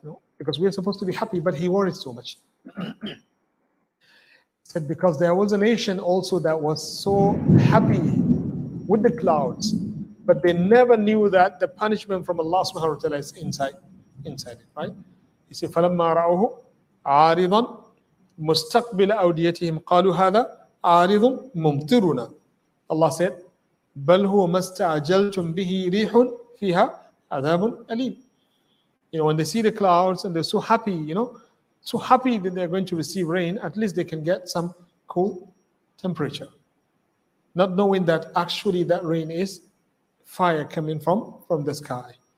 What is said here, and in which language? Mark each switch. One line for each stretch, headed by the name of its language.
English: You know, because we are supposed to be happy, but he worries so much. Said because there was a nation also that was so happy with the clouds, but they never knew that the punishment from Allah subhanahu wa ta'ala is inside it, right? He said,
Arabic: فَلَمَّا رَأَوْهُ عَارِضًا مُسْتَقْبِلَ أَوْدِيَتِهِمْ قَالُوا هَذَا عَارِضٌ مُمْتِرُنَا.
English: Allah said,
Arabic: بَلْ هُوَ مَسْتَعَجَلْتُمْ بِهِ رِيحٌ فِيهَا عَذَابٌ أَلِيمٌ.
English: You know, when they see the clouds and they're so happy, you know, so happy that they're going to receive rain, at least they can get some cool temperature. Not knowing that actually that rain is fire coming from the sky.